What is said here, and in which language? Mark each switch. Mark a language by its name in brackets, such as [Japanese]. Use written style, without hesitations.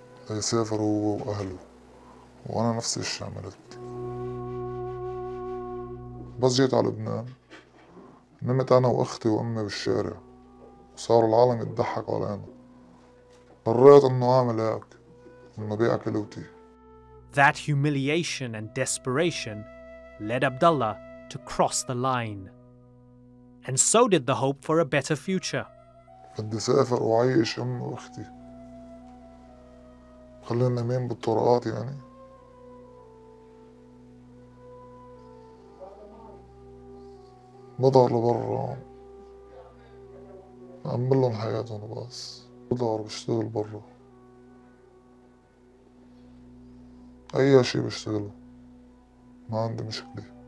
[Arabic] يسافر هو وأهله، وأنا نفس الشيء عملت. بس جيت على لبنان نمت أنا وأختي وأمي بالشارع، وصار العالم يضحك علينا. قررت إنه أعمل هيك، إنه بيع كلوتي. [English] That humiliation and desperation led Abdullah to cross the line. And so did the hope for a better future. [Arabic] بدي سافر وعيش أمي وأختي، خلينا نمين بالطرقات يعني. بضهر لبرا أعمل لهم حياتهم، بس بضهر بشتغل برا أي شيء بشتغله، ما عندي مشكلة.